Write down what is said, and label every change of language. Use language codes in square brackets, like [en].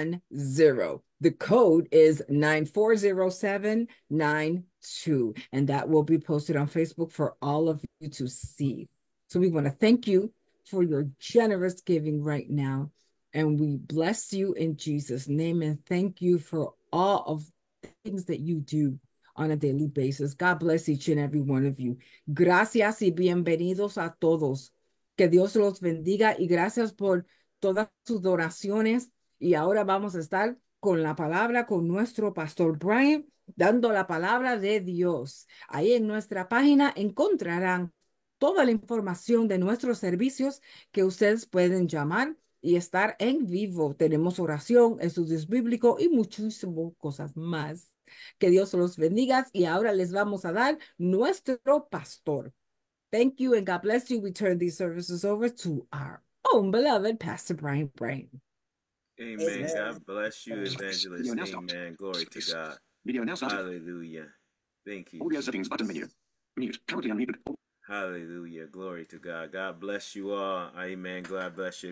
[en] The code is 940792, and that will be posted on Facebook for all of you to see. So we want to thank you for your generous giving right now, and we bless you in Jesus' name, and thank you for all of the things that you do on a daily basis. God bless each and every one of you. [es] Gracias y bienvenidos a todos. Que Dios los bendiga y gracias por todas sus oraciones. Y ahora vamos a estar con la palabra con nuestro pastor Bryant, dando la palabra de Dios. Ahí en nuestra página encontrarán toda la información de nuestros servicios que ustedes pueden llamar y estar en vivo. Tenemos oración, estudios bíblicos y muchísimas cosas más. Que Dios los bendiga y ahora les vamos a dar nuestro pastor. [en] Thank you and God bless you. We turn these services over to our own beloved Pastor Bryant Bryant. Amen. Amen. God bless you, evangelist. Amen. Glory to God. Video now started. Hallelujah. Thank you. Audio settings button menu. Mute. Currently unmuted. Hallelujah. Glory to God. God bless you all. Amen. God bless you.